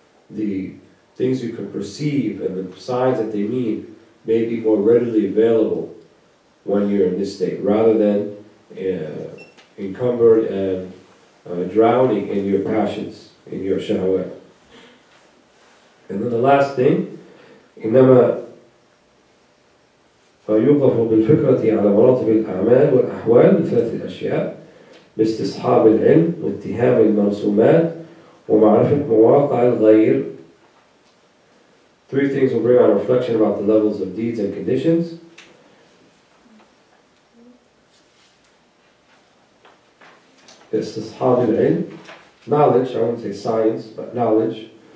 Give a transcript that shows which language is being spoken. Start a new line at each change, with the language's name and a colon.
English: The things you can perceive and the signs that they mean may be more readily available when you're in this state, rather than encumbered and drowning in your passions, in your shahwat. And then the last thing,
Arabic: إِنَّمَا فَيُوقَفُ بِالْفِكْرَةِ عَلَى مَرَاتِبِ الْأَعْمَالِ وَالْأَحْوَالِ لِثَلَاثِ الْأَشْيَاءِ بِاسْتِصْحَابِ الْعِلْمِ وَاتِّهَامِ الْمَرْسُومَاتِ وَمَعْرِفَةِ مُوَاقَعِ الْغَيْرِ.
English: Three things will bring on reflection about the levels of deeds and conditions.
Arabic: استصحاب العلم,
English: knowledge, I won't say science, but knowledge.